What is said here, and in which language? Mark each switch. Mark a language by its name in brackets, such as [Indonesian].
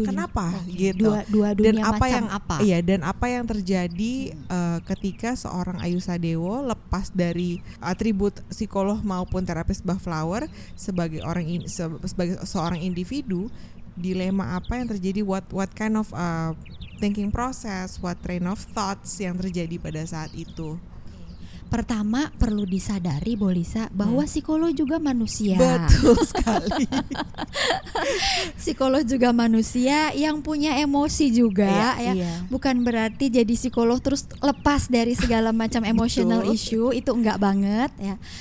[Indonesian] Kenapa gitu? Dua dunia dan apa macam yang apa? Iya, dan apa yang terjadi ketika seorang Ayu Sadewo lepas dari atribut psikolog maupun terapis Bach Flower sebagai orang sebagai seorang individu, dilema apa yang terjadi? [English] What kind of thinking process? What train of thoughts [Indonesian] yang terjadi pada saat itu? Pertama perlu disadari, Bo Lisa, bahwa psikolog juga manusia. Betul sekali. Psikolog juga manusia yang punya emosi juga, iya, ya. Iya. Bukan berarti jadi psikolog terus lepas dari segala macam emotional issue, itu enggak banget ya.